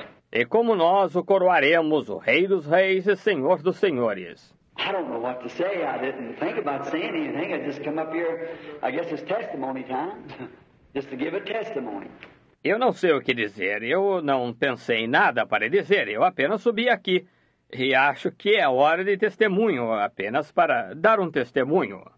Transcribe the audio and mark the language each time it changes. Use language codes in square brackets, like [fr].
[pt] E como nós o coroaremos, o Rei dos Reis e Senhor dos Senhores? [en] I don't know what to say. I didn't think about saying anything. I just come up here. I guess it's testimony time. Just to give a testimony. [pt] Eu não sei o que dizer. Eu não pensei em nada para dizer. Eu apenas subi aqui. E acho que é hora de testemunho, apenas para dar um testemunho.